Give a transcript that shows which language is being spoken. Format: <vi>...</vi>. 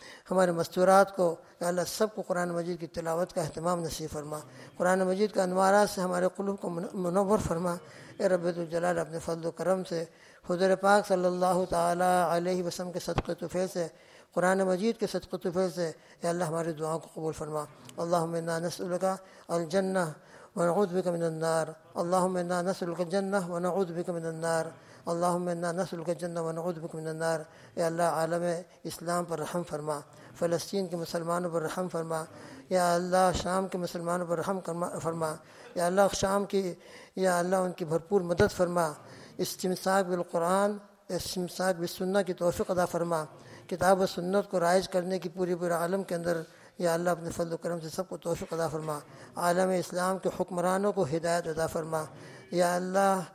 <ur>ہمارے مستورات کو یا اللہ سب کو قرآن مجید کی تلاوت کا اہتمام نصیب فرما قرآن مجید کا انوارات سے ہمارے قلوب کو منور فرما اے رب الجلال اپنے فضل و کرم سے حضور پاک صلی اللہ تعالیٰ علیہ وسلم کے صدقے طفیل سے قرآن مجید کے صدقے طفیل سے اے اللہ ہماری دعاؤں کو قبول فرما</ur> <ar>اللہم انا نسألک الجنہ ونعوذ بک من النار اللہم انا نسألک الجنہ ونعوذ بک من النار اللهم انا نسالك الجنه ونعوذ بك من النار.</ar> <ur>يا الله عالم اسلام پر رحم فرما, فلسطین کے مسلمانوں پر رحم فرما, یا اللہ شام کے مسلمانوں پر رحم فرما, یا اللہ شام کی, یا اللہ ان کی بھرپور مدد فرما, استمساک بالقرآن, استمساک بالسنہ کی توفیق عطا فرما, کتاب و سنت کو رائج کرنے کی پوری پورے عالم کے اندر یا اللہ اپنے فضل و کرم سے سب کو توفیق عطا فرما, عالم اسلام کے حکمرانوں کو ہدایت عطا فرما, یا اللہ</ur>